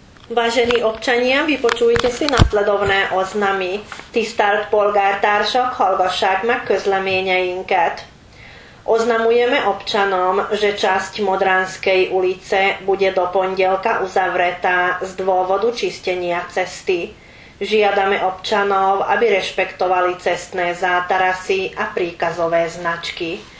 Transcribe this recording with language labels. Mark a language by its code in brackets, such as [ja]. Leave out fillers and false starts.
[sk] Vážení občania, vypočujte si nasledovné oznamy. [hu] Tisztelt polgártársak, hallgassák meg közleményeinket. [sk] Oznamujeme občanom, že časť Modranskej ulice bude do pondelka uzavretá z dôvodu čistenia cesty. Žiadame občanov, aby rešpektovali cestné zátarasy a príkazové značky.